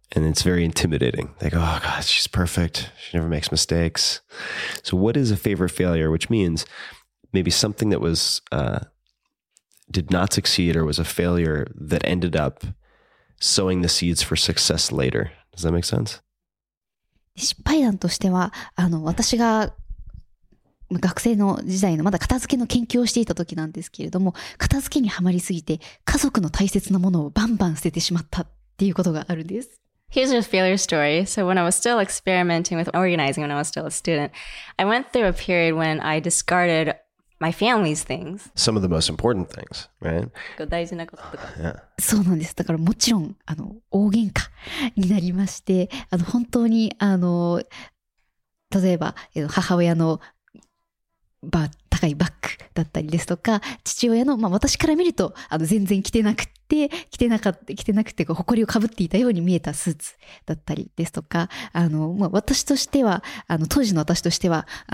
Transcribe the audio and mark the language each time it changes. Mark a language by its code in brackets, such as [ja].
[en] And it's very intimidating. They go, oh God, she's perfect. She never makes mistakes. So what is a favorite failure? Which means maybe something that was, did not succeed or was a failure that ended up sowing the seeds for success later. Does that make sense? [ja] 失敗談としては、私が学生の時代のまだ片付けの研究をしていた時なんですけれども、片付けにはまりすぎて家族の大切なものをバンバン捨ててしまったっていうことがあるんです。 [en] Here's a failure story. So when I was still experimenting with organizing, when I was still a student, I went through a period when I discarded my family's things. Some of the most important things, right? [ja] 大事なこととか。そうなんです。だからもちろん大喧嘩になりまして、本当に例えば母親の高いバッグだったりですとか、父親の、まあ、私から見ると全然着てなくて、着てなくて、ほこりをかぶっていたように見えたスーツだったりですとか、まあ、私としては当時の私としては